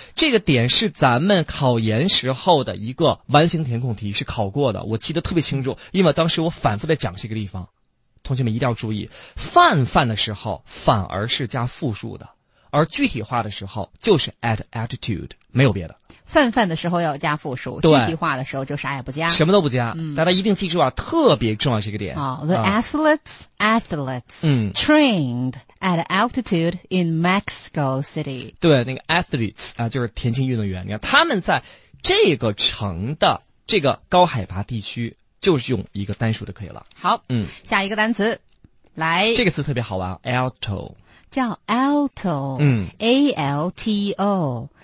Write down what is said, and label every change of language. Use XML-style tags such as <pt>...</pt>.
<zh>这个点是咱们考研时候的一个完形填空题，是考过的，我记得特别清楚，因为当时我反复的讲这个地方。同学们一定要注意，泛泛的时候反而是加复数的，而具体化的时候就是 at altitude， 没有别的。泛泛的时候要加复数，具体化的时候就啥也不加，什么都不加。嗯，大家一定记住啊，特别重要这个点。</zh> <en>Oh, the athletes trained at altitude in Mexico City。</en> <zh>对，那个 athletes 啊，就是田径运动员。你看他们在这个城的这个高海拔地区，就是用一个单数就可以了。好，下一个单词，来，这个词特别好玩 ，alto，叫 alto， a l t o。</zh>